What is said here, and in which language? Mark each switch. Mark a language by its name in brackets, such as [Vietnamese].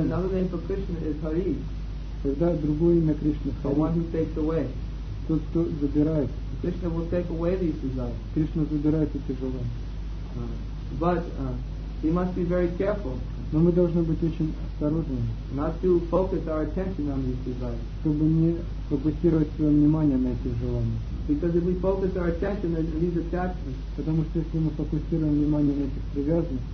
[English] Another name for Krishna is Hari. [Russian] Тогда другое имя Кришны. [English] The one who takes away. [Russian] Тот, кто забирает. [English] Krishna will take away these desires. [Russian] Кришна забирает эти желания. [English] But we must be very careful. [Russian] Но мы должны быть очень осторожными. [English] Not to focus our attention on these desires. [Russian] Чтобы не фокусировать свое внимание на эти желания. [English] Because if we focus our attention on these attachments, [Russian] потому что если мы фокусируем внимание на этих привязанностях,